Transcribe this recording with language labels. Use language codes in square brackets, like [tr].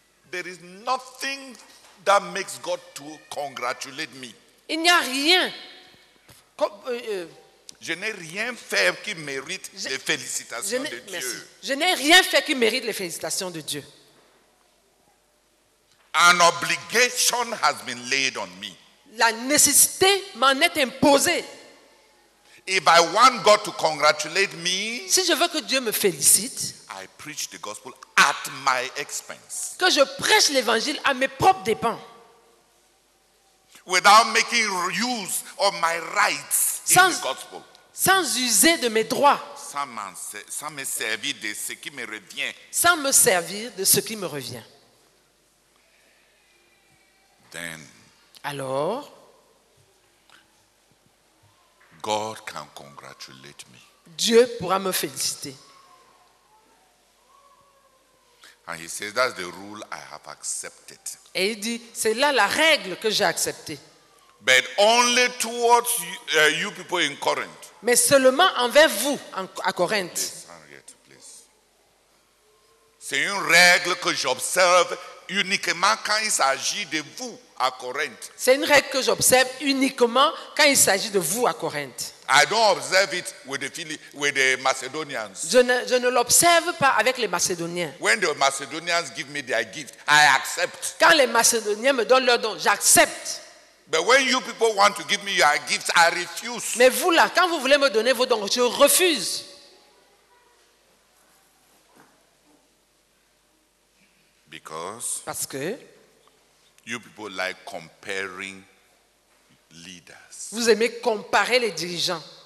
[en] there is nothing that makes God to congratulate me. [fr] Il n'y a rien. Je n'ai rien fait qui mérite les félicitations de Dieu. Merci. Je n'ai rien fait qui mérite les félicitations de Dieu. [en] An obligation has been laid on me. [fr] La nécessité m'en est imposée. [en] If I want God to congratulate me, [fr] si je veux que Dieu me félicite, [en] I preach the gospel at my expense. [fr] Que je prêche l'évangile à mes propres dépens. [en] Without making use of my rights [fr] sans, [en] in the gospel. [fr] Sans user de mes droits. Sans me servir de ce qui me revient. Sans me servir de ce qui me revient. [en] Then, [fr] alors, [en] God can congratulate me. [fr] Dieu pourra me féliciter. [en] And he says, that's the rule I have accepted. [fr] Et il dit, c'est là la règle que j'ai acceptée. [en] But only towards you people in Corinth. [fr] Mais seulement envers vous à Corinthe. [en] Yes, Henriette, please. [fr] C'est une règle que j'observe uniquement quand il s'agit de vous à Corinthe. C'est une règle que j'observe uniquement quand il s'agit de vous à Corinthe. [en] I don't observe it with the Macedonians. [fr] Je ne l'observe pas avec les Macédoniens. [en] When the Macedonians give me their gift, I accept. [fr] Quand les Macédoniens me donnent leur don, j'accepte. [en] But when you people want to give me your gifts, I refuse. [fr] Mais vous là, quand vous voulez me donner vos dons, je refuse. [en] Because [fr] parce que [en] you people like comparing leaders. [fr] Vous aimez comparer les dirigeants.